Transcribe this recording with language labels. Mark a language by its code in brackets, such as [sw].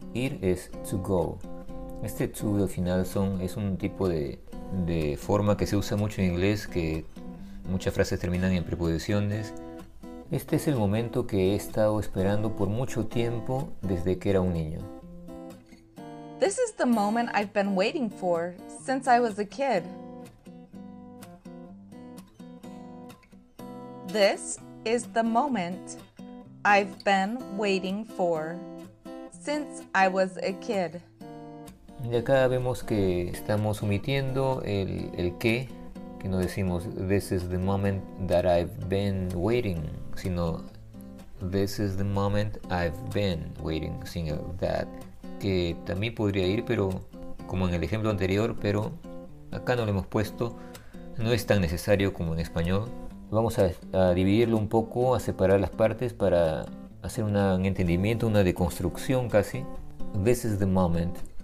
[es] Ir es to go. Este to al final es un tipo de forma que se usa mucho en inglés, que muchas frases terminan en preposiciones. Este es el momento que he estado esperando por mucho tiempo desde que era un niño. [en] This is the moment I've been waiting for since I was a kid. This is the moment I've been waiting for since I was a kid. [es] Y acá vemos que estamos omitiendo el qué. Y no decimos, [en] this is the moment that I've been waiting, [es] sino, [en] this is the moment I've been waiting, [es] sin el [en] that. [es] Que también podría ir, pero, como en el ejemplo anterior, pero acá no lo hemos puesto. No es tan necesario como en español. Vamos a dividirlo un poco, a separar las partes para hacer un entendimiento, una deconstrucción casi. [en] This is the moment.